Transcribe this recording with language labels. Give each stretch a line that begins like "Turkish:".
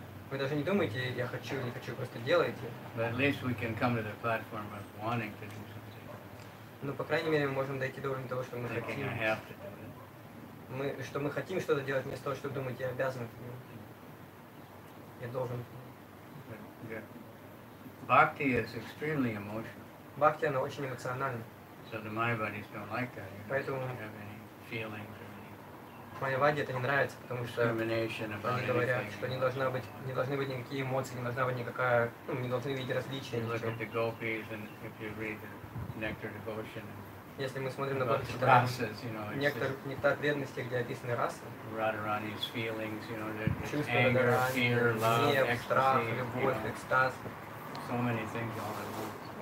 Russian: Вы даже не думаете, я хочу, не хочу, просто делайте.
English: But at least we can come to the platform of wanting to do something.
Russian: Ну, по крайней мере, мы можем дойти до уровня того, что мы хотим. Мы, что мы хотим что-то делать, вместо того, чтобы думать, я обязан это делать. Я должен.
English: Bhakti is extremely emotional.
Russian: Бхакти, она очень эмоциональна.
English: So the Mayavadis don't like that. You
Russian: поэтому
English: don't have any feelings or any...
Russian: Майавади это не нравится, потому что они говорят, что не должна быть, не должны быть никакие эмоции, не должна быть никакая, ну, не должны видеть различия.
English: Look at the gopis and if you read the nectar devotion.
Russian: Если мы смотрим на некоторые нектар преданности, где описаны расы,
English: Radharani's feelings, you know,
Russian: чувства Радхарани, гнев, страх, любовь,
English: you know,
Russian: экстаз.
English: So many things all at once.